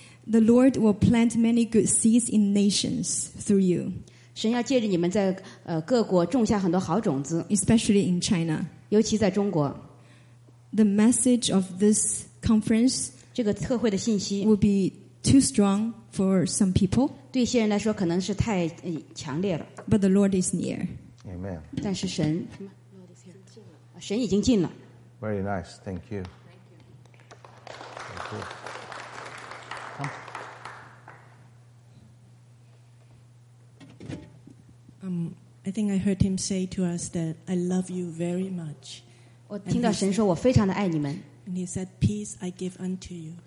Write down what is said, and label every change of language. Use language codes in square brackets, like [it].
[en] The Lord will plant many good seeds in nations through you. [zh] 神要借着你们在各国种下很多好种子。 [en] Especially in China. [zh] 尤其在中国。 [en] The message of this conference [zh] 这个特会的信息 [en] will be too strong for some people. [zh] 对一些人来说可能是太强烈了。 [en] But the Lord is near. Amen. [zh] 但是神什么？神已经近了。 [en] Very nice. Thank you. I think I heard him say to us that I love you very much. [zh] 我听到神说我非常的爱你们。 [en] And he said, "Peace I give unto you."